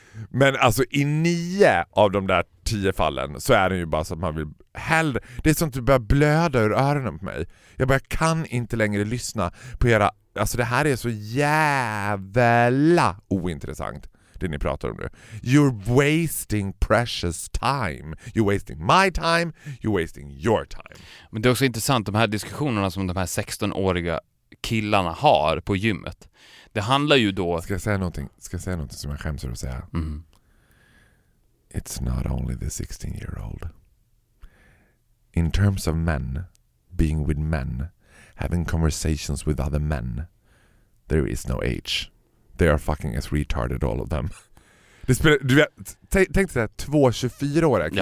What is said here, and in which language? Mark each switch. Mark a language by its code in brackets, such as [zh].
[sv] Men alltså i 9 av de där 10 fallen så är det ju bara så att man vill hellre, det är sånt att du börjar blöda ur öronen på mig. Jag kan inte längre lyssna på era... Alltså det här är så jävla ointressant det ni pratar om nu. [en] You're wasting precious time. You're wasting my time. You're wasting your time. [sv] Men det är också intressant, de här diskussionerna som de här 16-åriga killarna har på gymmet. Det handlar ju då... Ska jag säga någonting som jag skäms över att säga? Mm. [en] It's not only the 16-year-old. In terms of men, being with men, having conversations with other men, there is no age. They are fucking as retarded, all of them. [sv] Tänk dig det här, 2 24-åriga killar.